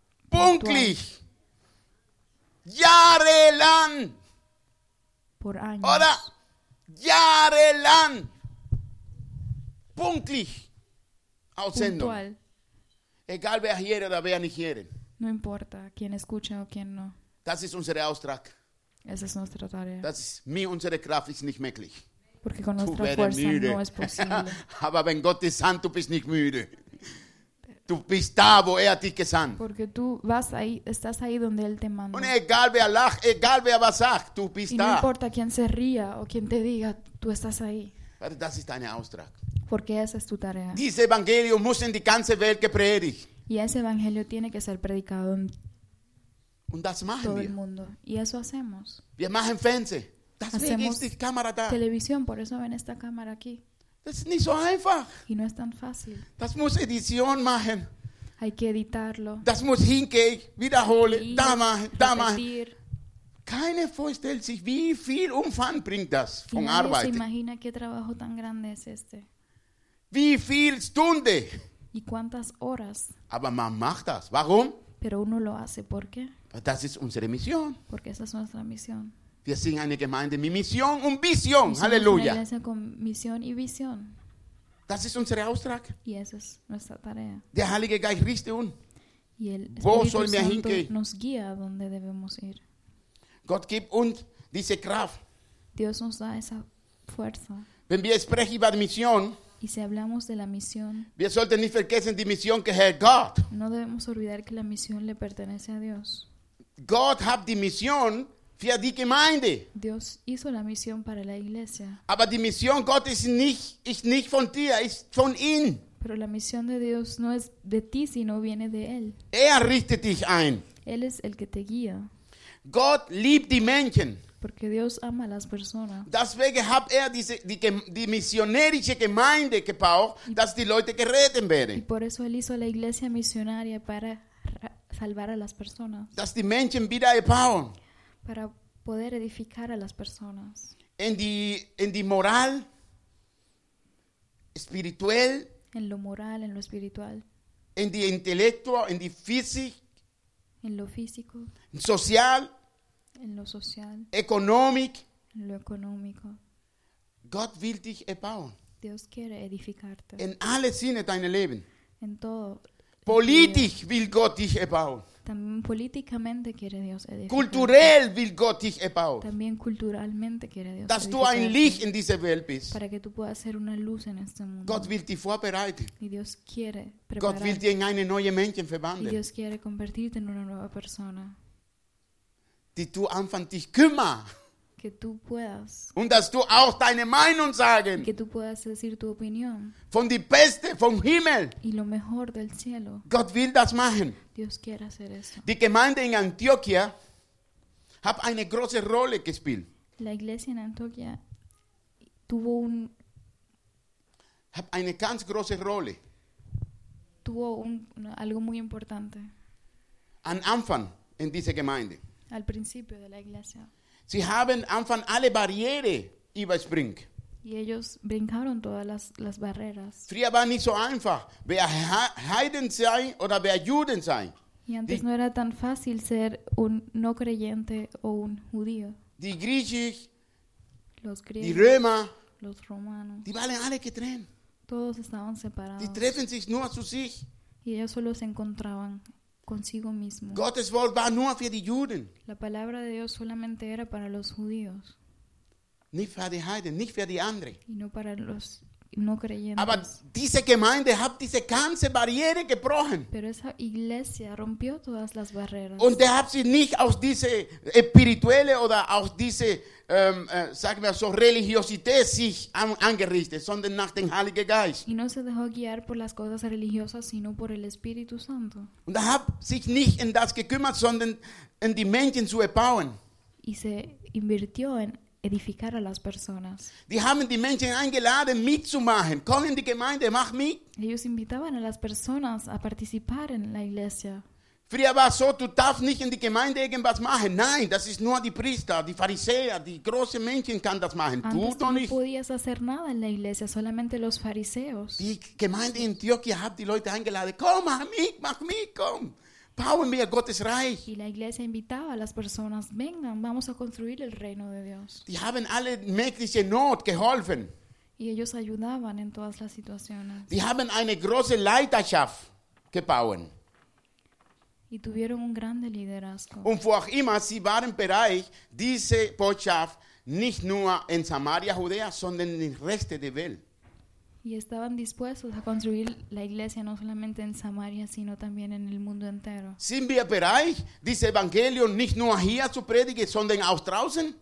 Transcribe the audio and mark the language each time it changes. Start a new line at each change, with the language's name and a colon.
German: Pünktlich. Jahrelang.
Spanish: Por años.
German: Oder? Jahrelang pünktlich aussenden.
Spanish: Puntual.
German: Egal wer hier oder wer nicht hier.
Spanish: No importa quién escucha o quién no.
German: Das ist unser Auftrag. Es ist unsere Tarea. Das ist mir unsere Kraft ist nicht möglich.
Spanish: Porque con nuestra fuerza
German: müde.
Spanish: No es posible.
German: Aber wenn Gott ist sand, du bist nicht müde. Du bist da, wo dich gesandt.
Spanish: Porque tú vas ahí, estás ahí donde él te manda.
German: Und egal wer lacht, egal wer was sagt, du bist da.
Spanish: Y no importa quién se ría o quién te diga, tú estás ahí. Pero
German: das ist deine Auftrag.
Spanish: Porque esa es tu tarea.
German: Dieses Evangelium muss in die ganze Welt gepredigt.
Spanish: Y ese evangelio tiene que ser predicado en
German: und das machen
Spanish: todo
German: wir.
Spanish: El mundo. Y eso hacemos.
German: Wir machen Fernsehen.
Spanish: Hacemos
German: ist die Kamera da.
Spanish: Televisión, por eso ven esta cámara aquí.
German: Das ist nicht so einfach.
Spanish: Y no es tan fácil.
German: Das muss Edition machen.
Spanish: Hay que editarlo.
German: Das muss hingehen, wiederholen, da machen, da machen. Keiner vorstellt sich, wie viel Umfang bringt das von Arbeit.
Spanish: Se imagina qué trabajo tan grande es este.
German: Wie viel Stunde.
Spanish: Y cuántas horas.
German: Aber man macht das. Warum?
Spanish: Pero uno lo hace. ¿Por qué?
German: Das ist unsere Mission.
Spanish: Porque esa es nuestra misión.
German: Wir sind eine Gemeinde mit Mission und Vision. Halleluja.
Spanish: Una iglesia con misión y visión.
German: Das ist unser Auftrag.
Spanish: Y esa es nuestra tarea.
German: Der Heilige Geist richtet uns.
Spanish: Y el Espíritu Santo nos guía a donde debemos ir.
German: Gott gibt uns diese Kraft.
Spanish: Dios nos da esa fuerza.
German: Wenn wir sprechen über Mission,
Spanish: y si hablamos de la misión,
German: wir sollten nicht vergessen die Mission gehört Gott.
Spanish: No debemos olvidar que la misión le pertenece a Dios.
German: Gott hat die Mission für die Gemeinde.
Spanish: Dios hizo la misión para la iglesia.
German: Aber die Mission Gottes ist nicht von dir, ist von ihm.
Spanish: Pero la misión de Dios no es de ti, sino viene de él.
German: Er richtet dich ein.
Spanish: Él es el que te guía.
German: Gott liebt die Menschen.
Spanish: Porque Dios ama a las personas.
German: Deswegen hat er die missionärische Gemeinde gebaut, dass die Leute gerettet werden.
Spanish: Y por eso él hizo la iglesia misionaria para salvar a las personas.
German: Dass die Menschen wieder erbauen.
Spanish: Para poder edificar a las personas. En
German: die
Spanish: moral, espiritual. En lo moral, en lo espiritual. En
German: die
Spanish: intelectual, en
German: die physik.
Spanish: En lo físico. Social. En lo social. Economic. En lo económico.
German: Gott will dich erbauen.
Spanish: Dios quiere edificarte. En
German: alle Sinne deines Lebens.
Spanish: En todo.
German: Politisch will Gott dich erbauen.
Spanish: También políticamente quiere Dios edificarte.
German: Kulturell will Gott dich erbauen.
Spanish: También culturalmente quiere Dios edificarte.
German: Dass du ein Licht in dieser Welt bist.
Spanish: Para que tú puedas ser una luz en este mundo.
German: Gott will dich vorbereiten.
Spanish: Y Dios quiere prepararte.
German: Gott will dich in eine neue Menschen verwandeln.
Spanish: Y Dios quiere convertirte en una nueva persona.
German: Die du anfang dich kümmer.
Spanish: Que tú puedas.
German: Und dass du auch deine Meinung sagen.
Spanish: Que tú puedas decir tu opinión.
German: Von die Beste, vom Himmel.
Spanish: Y lo mejor del cielo.
German: Gott will das machen.
Spanish: Dios quiere hacer eso.
German: Die Gemeinde in Antioquia hat eine große Rolle gespielt.
Spanish: La iglesia en Antioquia tuvo un.
German: Hat eine ganz große Rolle.
Spanish: Tuvo un algo muy importante.
German: Am Anfang in dieser Gemeinde.
Spanish: Al principio de la iglesia.
German: Sie haben anfang alle Barriere überspringt.
Spanish: Y ellos brincaron todas las barreras.
German: Früher war nicht so einfach, wer Heiden sei oder wer Juden sei.
Spanish: Y antes no era tan fácil ser un no creyente o un judío.
German: Die Griechen,
Spanish: los griegos,
German: die Römer,
Spanish: los romanos,
German: die waren alle getrennt.
Spanish: Todos estaban separados.
German: Die treffen sich nur zu sich.
Spanish: Y ellos solo se encontraban.
German: Gottes Wort war nur für die Juden.
Spanish: La palabra de Dios solamente era para los judíos.
German: Nicht für die Heiden, nicht für die anderen.
Spanish: Y no para los no creyentes.
German: Aber diese Gemeinde hat diese ganze Barriere gebrochen.
Spanish: Pero esa iglesia rompió todas las barreras.
German: Und er hat sie nicht aus dieser spirituelle oder aus dieser sagen wir so Religiosität sich angerichtet, sondern nach dem Heiligen Geist.
Spanish: Y no se dejó guiar por las cosas religiosas, sino por el Espíritu Santo.
German: Und er hat sich nicht in das gekümmert, sondern in die Menschen zu erbauen.
Spanish: Y se invirtió en edificar a las personas.
German: Die haben die Menschen eingeladen, mitzumachen. Komm in die Gemeinde, mach mit.
Spanish: Ellos invitaban a las personas a participar en la iglesia.
German: Früher war so, du darfst nicht in die Gemeinde irgendwas machen. Nein, das ist nur die Priester, die Pharisäer, die großen Menschen kann das machen.
Spanish: Antes
German: du doch nicht.
Spanish: No podías hacer nada en la iglesia, solamente los fariseos.
German: Die Gemeinde in Antioquia hat die Leute eingeladen. Komm, mach mit, komm. Bauen wir Gottes Reich.
Spanish: Y la iglesia invitaba a las personas, vengan, vamos a construir el reino de Dios.
German: Die haben alle mögliche Not geholfen.
Spanish: Y ellos ayudaban en todas las situaciones.
German: Die haben eine große Leiterschaft gebaut.
Spanish: Y tuvieron un grande liderazgo.
German: Und wo auch immer, sie waren bereit, diese Botschaft nicht nur in Samaria, Judea, sondern in den Rest der Welt.
Spanish: Y estaban dispuestos a construir la iglesia no solamente en Samaria, sino también en el mundo entero.
German: ¿Sind wir bereit, dieses Evangelium nicht nur hier zu predigen, sondern auch draußen?